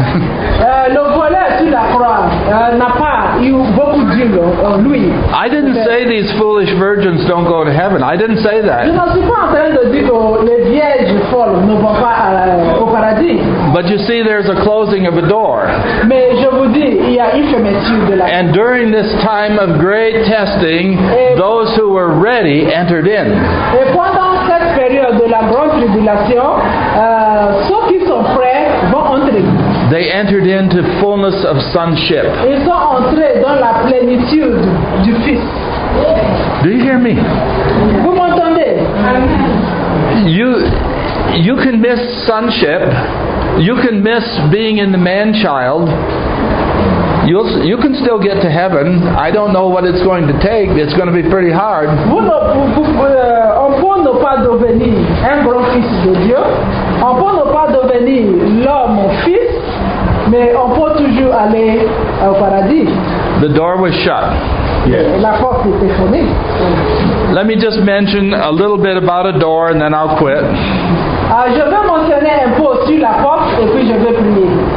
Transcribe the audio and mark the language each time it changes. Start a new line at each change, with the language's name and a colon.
French: Le voleur sur la croix n'a pas eu beaucoup d'huile en lui.
English: I didn't say these foolish virgins don't go to heaven. I didn't say that.
French: Je ne suis pas en train de dire que les vierges folles ne vont pas au paradis.
English: But you see, there's a closing of a door.
French: Mais je vous dis, il y a une fermeture de la.
English: And during this time of great testing, those who were ready entered in.
French: Et pendant cette période de la grande tribulation, ceux qui sont prêts vont entrer.
English: They entered into fullness of sonship.
French: Ils sont entrés dans la plénitude du Fils.
English: Do you hear me?
French: Vous m'entendez?
English: You can miss sonship. You can miss being in the man-child. You can still get to heaven. I don't know what it's going to take. It's going to be pretty hard.
French: On peut ne pas devenir un grand fils de Dieu. On peut ne pas devenir l'homme fils, mais on peut toujours aller au paradis.
English: The door was shut.
French: La porte était fermée.
English: Let me just mention a little bit about a door and then I'll quit.
French: Je vais mentionner un peu sur la porte et puis je vais prier.